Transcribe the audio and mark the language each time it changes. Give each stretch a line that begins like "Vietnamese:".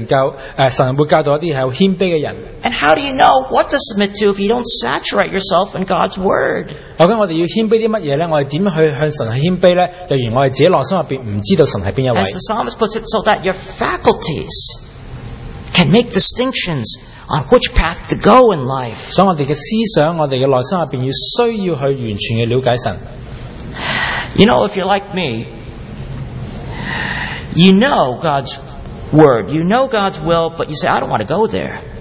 Chinese: 谦卑的人是会去教导一些能够，神会教导一些有谦卑的人。
English: And how do you know what to submit to if you don't saturate yourself in God's word?
Chinese: 究竟我们要谦卑些什么呢？我们怎么去向神谦卑呢？若然我们自己内心里面不知道神是哪一位。
English: As the psalmist puts it, so that your faculties can make distinctions on which path to go in life.
Chinese: 所以我们的思想，我们的内心里面需要去完全的了解神。
English: You know, if you're like me, you know God's word, you know God's will, but you say, I don't want to go there.